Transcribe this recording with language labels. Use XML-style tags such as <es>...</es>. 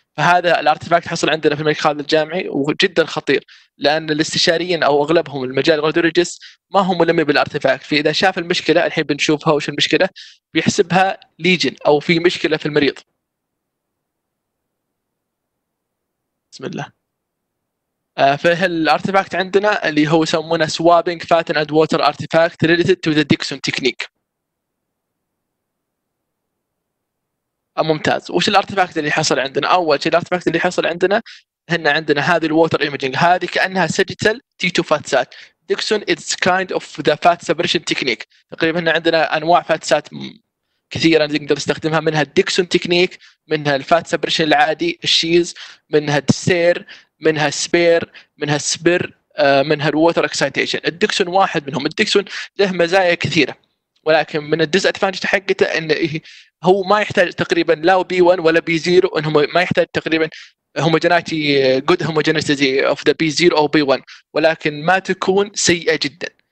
<ar>فهذا الارتفاكت حصل عندنا في الملك خالد الجامعي وجدا خطير، لأن الاستشاريين أو أغلبهم المجال الراديولوجيست ما هم ملمين بالارتفاكت. فإذا شاف المشكلة الحين بنشوفها وش المشكلة، بيحسبها ليجن أو في مشكلة في المريض. بسم الله. فالارتفاكت عندنا اللي هو يسمونه swabbing fat and water artifact related to the Dixon technique. ممتاز. وش الارتفاكت اللي حصل عندنا؟ اول شيء الارتفاكت اللي حصل عندنا هنا عندنا هذه الووتر ايميجينج، هذه كانها سجيتال تي 2 فات سات.</ar> <en>Dixon is kind of the fat separation technique.</en> <ar>تقريبا هنا عندنا انواع فات سات كثيرة نقدر نستخدمها، منها الديكسون تكنيك، منها الفات سبريشن العادي الشيز، منها السير، منها سبير، منها سبير، منها الووتر اكسايتيشن. الديكسون واحد منهم. الديكسون له مزايا كثيرة، ولكن من الديز ادفانتج حقته انه هو ما يحتاج تقريبا لا بي 1 ولا بي 0، انهم ما يحتاج تقريبا هوموجينيتي جود هوموجينيتي اوف ذا بي 0 او بي 1، ولكن ما تكون سيئة جدا.</ar>